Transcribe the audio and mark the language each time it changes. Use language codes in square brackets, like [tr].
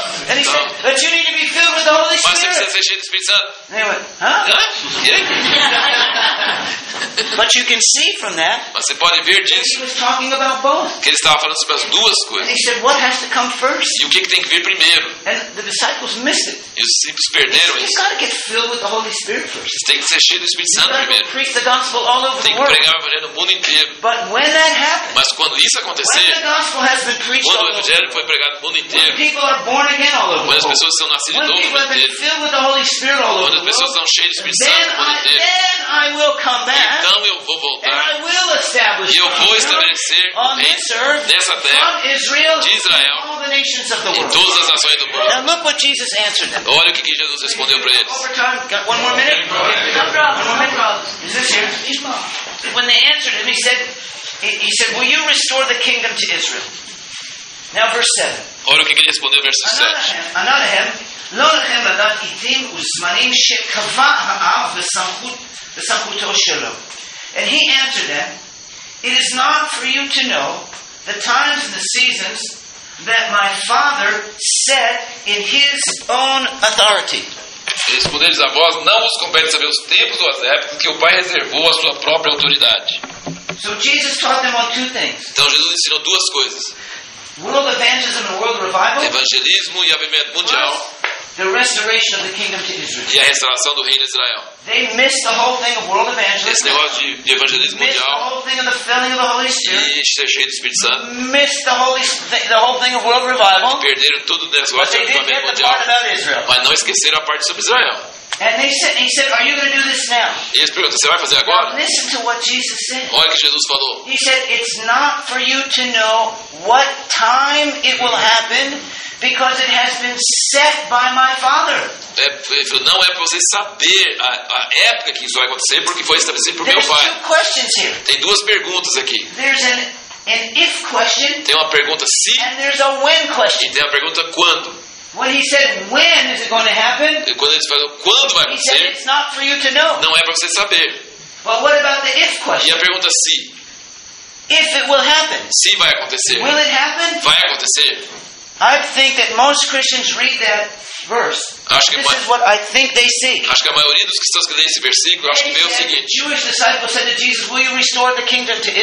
[en] And he said, but you need to be filled with the Holy Spirit. [pt] Mas você precisa ser cheio do Espírito Santo. [en] And they went, huh? But you can see from that. [pt] Mas você pode ver disso. [en] He was talking about both. [pt] Que ele estava falando sobre as duas coisas. [en] And he said, what has to come first? [pt] E o que tem que vir primeiro? [en] And the disciples missed it. [pt] E os discípulos perderam isso. [en] You've got to get filled with the Holy Spirit first. [pt] Você tem que ser cheio do Espírito Santo primeiro. [en] You've got to preach the gospel all over the world. [pt] Tem que pregar o evangelho no mundo inteiro. [en] But when that happens, [pt] mas quando isso acontecer, [en] when the gospel has been preached, [pt] quando o evangelho foi pregado no mundo inteiro, [en] when people are born again all over, [pt] quando as pessoas são nascidas de novo, [en] when people are filled with the Holy Spirit all over, [pt] quando as pessoas estão cheias do Espírito Santo no mundo inteiro, [en] then I will come back. [pt] Então eu vou voltar. [en] And I will establish, [pt] e eu vou estabelecer nessa terra de Israel e todas as nações do mundo. [en] Now look what Jesus answered them. [pt] Olha o que Jesus respondeu para eles. [en] One more minute. Is this here? When they answered him, he said, will you restore the kingdom to Israel? Now verse 7. [pt] Olha o que ele respondeu, verso 7. [he] Anarahem, לא לכם לדעת עתים וזמנים שקבע האב בסמכותו שלו. [en] And he answered them, it is not for you to know the times and the seasons that my father set in his own authority. [pt] Eles poderes a voz não vos compete saber os tempos ou as épocas que o Pai reservou a sua própria autoridade. [en] So Jesus taught them on two things. [pt] Então Jesus ensinou duas coisas. [en] World evangelism and world revival. [pt] Evangelismo e avivamento mundial. [en] The restoration of the kingdom to Israel. [pt] E a restauração do reino de Israel. [en] They missed the whole thing of world evangelism. [pt] Esse negócio de evangelismo mundial. [en] Missed the whole thing of the filling of the Holy Spirit. [pt] E perderam tudo o negócio de avivamento mundial. Mas não esqueceram a parte sobre Israel. [en] And he said, are you going to do this now? [pt] E eles perguntam, você vai fazer agora? [en] Now listen to what Jesus said. [pt] Olha o que Jesus falou. [en] He said, it's not for you to know what time it will happen, because it has been set by my Father. [pt] Não é para você saber a época que isso vai acontecer, porque foi estabelecido por [en] There's [pt] meu Pai. [en] Two questions here. [pt] Tem duas perguntas aqui. [en] There's an if question. [pt] Tem uma pergunta se. [en] And there's a when question. [pt] E tem a pergunta quando. [en] When he said, when is it going to happen? [pt] E quando ele falou quando vai acontecer? [en] He said, it's not for you to know. [pt] Não é para você saber. [en] But what about the if question? [pt] E a pergunta se. [en] If it will happen. [pt] Se vai acontecer. [en] Will it happen? [pt] Vai acontecer. [en] I think that most Christians read that verse. This is what I think they see. [pt] Acho que a maioria dos cristãos que lê esse versículo, acho que vê o seguinte. [en] Jewish disciples said to Jesus, "Will you restore the kingdom to Israel?"